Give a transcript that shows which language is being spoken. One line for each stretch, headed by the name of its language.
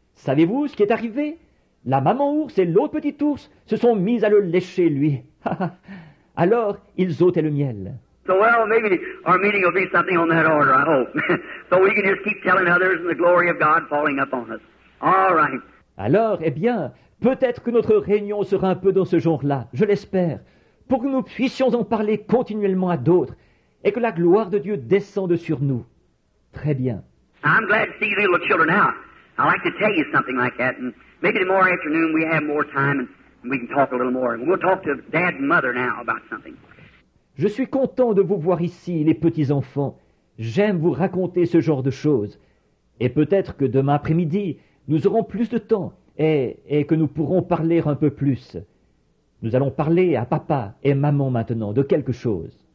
French: Savez-vous ce qui est arrivé? La maman ours et l'autre petit ours se sont mis à le lécher lui. Alors, ils ôtaient le miel.
English: So well, maybe our meeting will be something on that order, I hope. So we can just keep telling others and the glory of God falling upon us. All right.
French: Alors, eh bien, peut-être que notre réunion sera un peu dans ce genre-là, je l'espère, pour que nous puissions en parler continuellement à d'autres et que la gloire de Dieu descende sur nous. Très bien.
English: I'm glad to see you little children out. I'd like to tell you something like that. And maybe tomorrow afternoon we have more time and we can talk a little more. We'll talk to Dad and Mother now about something.
French: Je suis content de vous voir ici, les petits-enfants. J'aime vous raconter ce genre de choses. Et peut-être que demain après-midi, nous aurons plus de temps et que nous pourrons parler un peu plus. Nous allons parler à papa et maman maintenant de quelque chose.